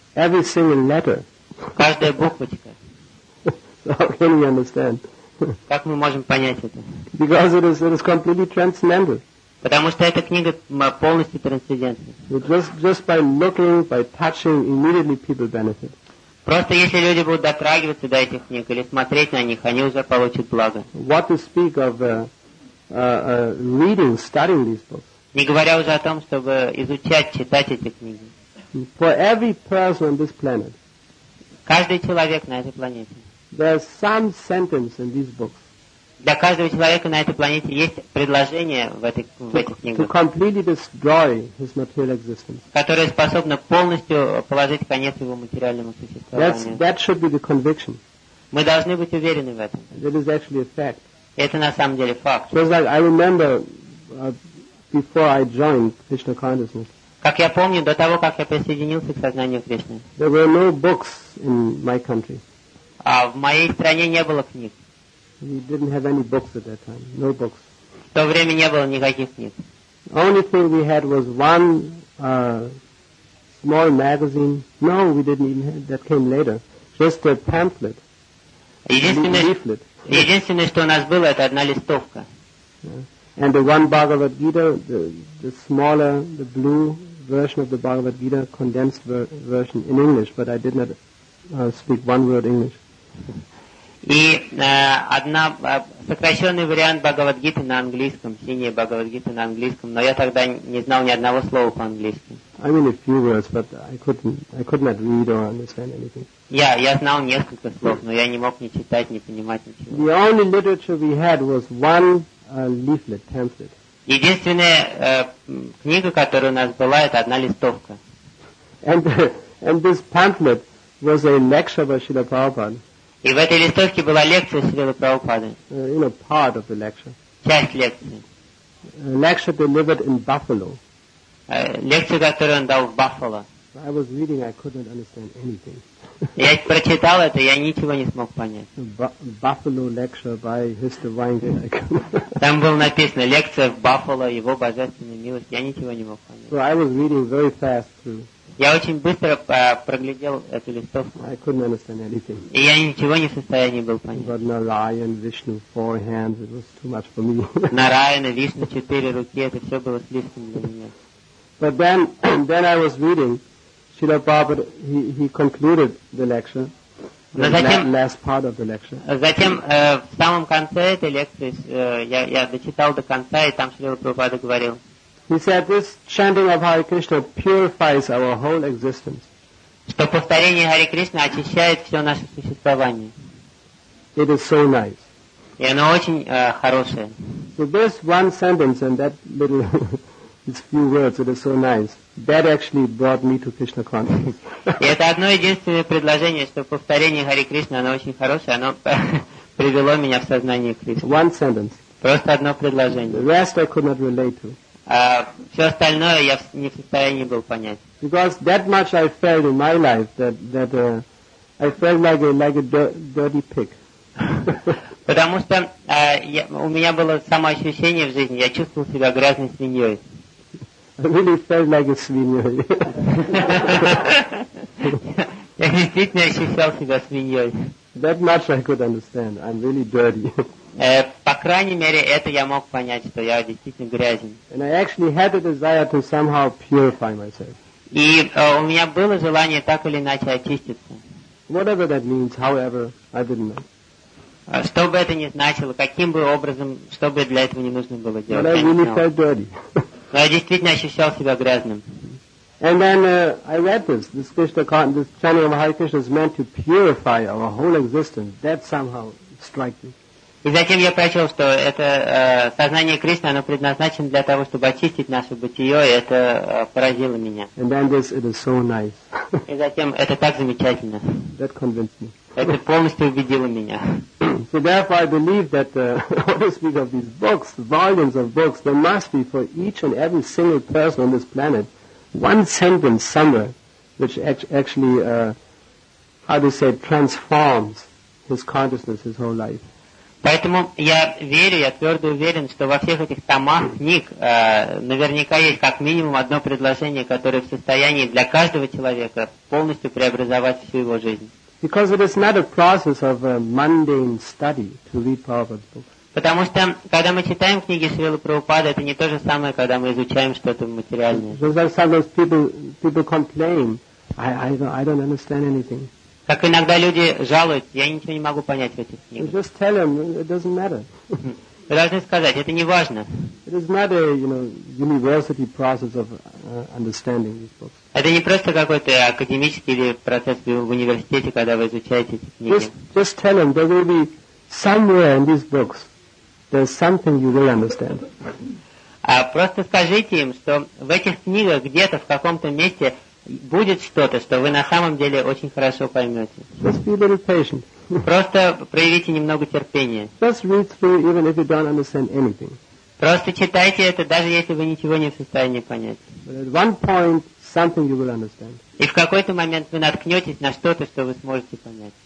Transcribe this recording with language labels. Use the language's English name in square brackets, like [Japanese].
[English] Every single letter. [Russian] Каждая буквочка. [English] So how can we understand? [Russian] Как мы можем понять это? [English] Because it is completely transcendental. [Russian] Потому что эта книга полностью трансцендентна. [English] Just by looking, by touching, immediately people benefit. [Russian] Просто если люди будут дотрагиваться до этих книг или смотреть на них, они уже получат благо. [English] What to speak of reading, studying these books. [Russian] Не говоря уже о том, чтобы изучать, читать эти книги. [English] For every person on this planet. [Russian] Каждый человек на этой планете. [English] There is some sentence in these books. [Russian] Для каждого человека на этой планете есть предложение в этих книгах. [English] To completely destroy his material existence. [Russian] Которое способно полностью положить конец его материальному существованию. [English] That should be the conviction. [Russian] Мы должны быть уверены в этом. [English] That is actually a fact. [Russian] Это на самом деле факт. [English] Just like I remember before I joined Krishna consciousness. [Russian] Как я помню, до того, как я присоединился к сознанию Кришны. [English] There were no books in my country. [Russian] А в моей стране не было книг. [English] We didn't have any books at that time. No books. [Russian] В то время не было никаких книг. [English] Only thing we had was one small magazine. No, we didn't even have that. Came later. Just a pamphlet. [Russian] Единственное, что у нас было, это одна листовка. [English] And the one Bhagavad Gita, the smaller, the blue version of the Bhagavad Gita, condensed version in English, but I did not speak one word English. [Russian] И одна сокращенный вариант Бхагавадгиты на английском, синяя Бхагавадгита на английском, но я тогда не знал ни одного слова по-английски. [English] I mean a few words, but I could not read or understand anything. [Russian] Я знал несколько слов, но я не мог ни читать, ни понимать ничего. [English] The only literature we had was one leaflet, pamphlet. [Russian] Единственная книга, которая у нас была, это одна листовка. [English] And this pamphlet was a lecture by Srila Prabhupada. [Russian] И в этой листовке была лекция Шрилы Прабхупады. [English] You know, part of the lecture. [Russian] Часть лекции. [English] A lecture delivered in Buffalo. [Russian] Лекцию, которую он дал в Баффало. [English] I was reading, I couldn't understand anything. [Russian] Я прочитал это, я ничего не смог понять. [English] Buffalo lecture by His Divine Grace. [Russian] Там было написано лекция в Баффало, его божественная милость. Я ничего не мог понять. [English] So I was reading very fast through. [Russian] Я очень быстро проглядел эту листовку. [English] I couldn't understand anything. [Russian] И я ничего не в состоянии был понять. [English] But Narayan, Vishnu, four hands, it was too much for me. [Russian] Narayana, Vishnu, четыре руки, это все было слишком для меня. [English] But then I was reading, Srila Prabhupada, he concluded the lecture, last part of the lecture. [Russian] Затем в самом конце этой лекции я дочитал до конца, и там Шрила Прабхупада говорил. [English] He said, "This chanting of Hare Krishna purifies our whole existence." [Russian] Что повторение Hare Krishna очищает все наше существование. [English] It is so nice. [Russian] И оно очень хорошее. [English] So this one sentence and that little, these few words, it is so nice. That actually brought me to Krishna consciousness. [Russian] И это одно единственное предложение, что повторение Hare Krishna, оно очень хорошее, оно привело меня в сознание Кришны. [English] One sentence. [Russian] Просто одно предложение. [English] The rest I could not relate to. [Russian] Все остальное я не в состоянии был понять. [English] Because that much I felt in my life that I felt like a dirty pig. Потому что у меня было самоощущение в жизни, я чувствовал себя грязной свиньей. I really felt like a [Russian] свиньей. Я действительно ощущал себя свиньей. [English] That much I could understand. I'm really dirty. [Russian] По крайней мере, это я мог понять, что я действительно грязен. [English] And I actually had a desire to somehow purify myself. [Russian] И у меня было желание так или иначе очиститься. [English] Whatever that means, however, I didn't know. [Russian] Что бы это ни значило, каким бы образом, что бы для этого не нужно было делать, [English] But [Russian] я [English] really [Russian] не знал. [English] Felt dirty. [Russian] Но я действительно ощущал себя грязным. [English] And then I read this Krishna content, this chanting of Hare Krishna is meant to purify our whole existence. That somehow struck me. [Russian] И затем я прочел, что это сознание Кришны, оно предназначено для того, чтобы очистить наше бытие, и это поразило меня. [English] And then this, it is so nice. [Russian] И затем это так замечательно. [English] That convinced me. [Russian] Это полностью убедило меня. [English] So therefore I believe that what I speak of these books, volumes of books, there must be for each and every single person on this planet one sentence somewhere which actually how to say transforms his consciousness, his whole life. [Russian] Поэтому я верю, я твердо уверен, что во всех этих томах книг наверняка есть как минимум одно предложение, которое в состоянии для каждого человека полностью преобразовать всю его жизнь. [English] Because it is not a process of a mundane study to read Prabhupada's books. [Russian] Потому что когда мы читаем книги Шрилы Прабхупады, это не то же самое, когда мы изучаем что-то материальное. [English] Sometimes people complain, I don't understand anything. [Russian] Как иногда люди жалуют, я ничего не могу понять в этих книгах. [English] Just tell them, it doesn't matter. [Russian] Вы должны сказать, это не важно. [English] It is not a, you know, university process of understanding these books. [Russian] Это не просто какой-то академический или процесс в университете, когда вы изучаете эти книги. [English] Just tell them, there will be somewhere in these books, there's something you will understand. [Russian] А просто скажите им, что в этих книгах где-то в каком-то месте будет что-то, что вы на самом деле очень хорошо поймете. [English] Just be a little patient. [Russian] Просто проявите немного терпения. [English] Just read through, even if you don't understand anything. [Russian] Просто читайте это, даже если вы ничего не в состоянии понять. [English] But at one point, something you will understand. [Russian] И в какой-то момент вы наткнетесь на что-то, что вы сможете понять.